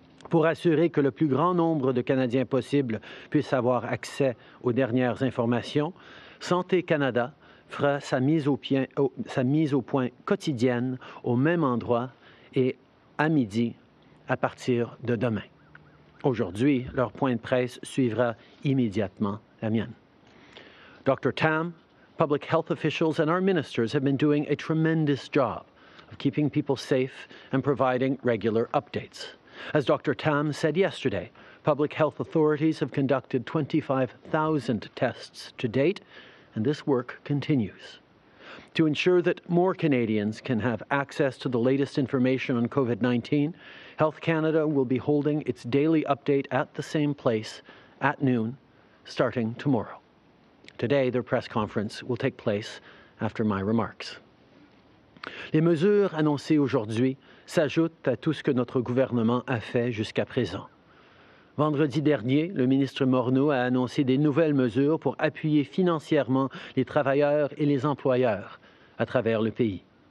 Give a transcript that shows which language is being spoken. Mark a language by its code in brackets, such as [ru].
[fr] Pour assurer que le plus grand nombre de Canadiens possible puisse avoir accès aux dernières informations, Santé Canada fera sa mise au point quotidienne au même endroit et à midi à partir de demain. Aujourd'hui, leur point de presse suivra immédiatement la mienne. [en] Dr. Tam, public health officials and our ministers have been doing a tremendous job of keeping people safe and providing regular updates. As Dr. Tam said yesterday, public health authorities have conducted 25,000 tests to date, and this work continues. To ensure that more Canadians can have access to the latest information on COVID-19, Health Canada will be holding its daily update at the same place at noon, starting tomorrow. Today, their press conference will take place after my remarks. [fr] Les mesures annoncées aujourd'hui s'ajoutent à tout ce que notre gouvernement a fait jusqu'à présent. Vendredi dernier, le ministre Morneau a annoncé des nouvelles mesures pour appuyer financièrement les travailleurs et les employeurs à travers le pays.